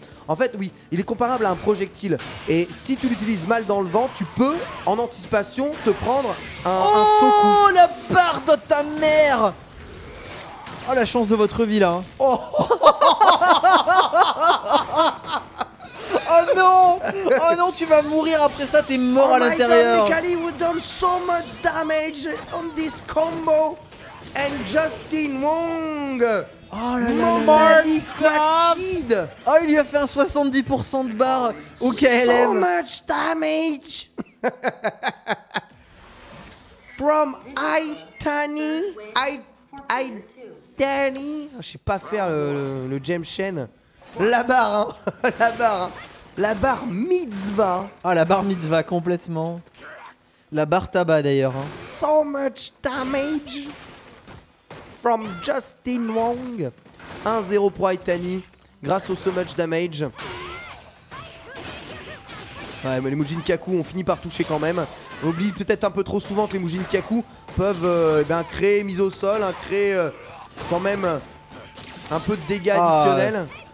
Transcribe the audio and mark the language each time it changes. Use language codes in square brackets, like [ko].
[fr] En fait, oui, il est comparable à un projectile. Et si tu l'utilises mal dans le vent, tu peux, en anticipation, te prendre un saut coup. Oh, la barre de ta mère! Oh, la chance de votre vie, là. Oh! Oh non! Oh non, tu vas mourir après ça, t'es mort oh à l'intérieur! [en] Oh my god, Mikali would do so much damage on this combo! And Justin Wong! [fr] Oh là là, [en] kid. [fr] Oh, il lui a fait un 70% de barre au KLM! [en] So much damage! From Aitani! Aitani! [fr] Oh, je sais pas faire le James Chen! La barre, hein! La barre, hein! La barre mitzvah. Ah, la barre mitzvah, complètement. La barre tabac, d'ailleurs. Hein. [en] So much damage from Justin Wong. [fr] 1-0 pour Aitani, grâce au [en] so much damage. [fr] Ouais, mais les Mujin Kaku ont fini par toucher quand même. On oublie peut-être un peu trop souvent que les Mujin Kaku peuvent créer mise au sol, hein, créer quand même un peu de dégâts additionnels.